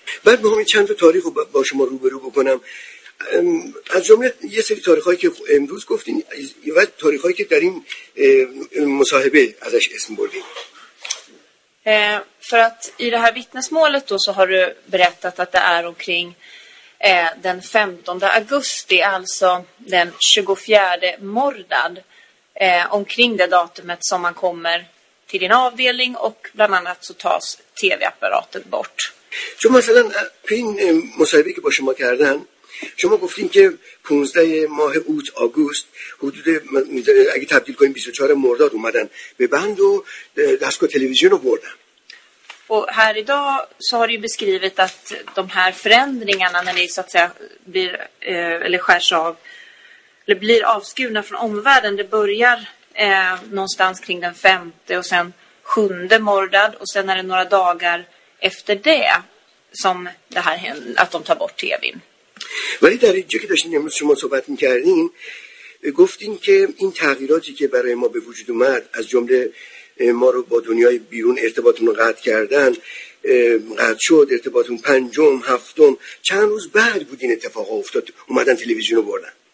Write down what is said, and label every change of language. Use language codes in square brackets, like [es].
[fa] بعد میخوام چند تا تاریخ رو با شما روبرو بکنم. از جمله یه سری تاریخ‌هایی که امروز گفتین، یه وقت تاریخ‌هایی که در این مصاحبه ازش اسم بردین. [sv] För att i det här vittnesmålet då så har du berättat att det är omkring den 15 augusti, alltså den 24 mordad, omkring det datumet som man kommer till din avdelning och bland annat så tas tv-apparatet bort. [fa] Som mثلا پین مصاحبه که با شما کردن، شما گفتین که 15 ماه اوت آگوست حدود اگه تبدیل کنیم 24 مرداد اومدن به بند و دستگاه تلویزیون رو بردن. [sv] و här idag så har du beskrivit att de här förändringarna när ni så att säga blir eller skärs av eller blir avskurna från omvärlden, det börjar någonstans kring den 5:e och sen 7:e mordad och sen är det några dagar efter det som det här händer, att de tar bort TV:n. [fa] ولی در اینجا که داشتین امروز شما صحبت میکردین گفتین که این تغییراتی که برای ما به وجود اومد، از جمله ما رو با دنیای بیرون ارتباطمون رو قطع کردن، قطع شد ارتباطمون پنجم، هفتم، چند روز بعد بود این اتفاق افتاد، اومدن تلویزیون رو بردن.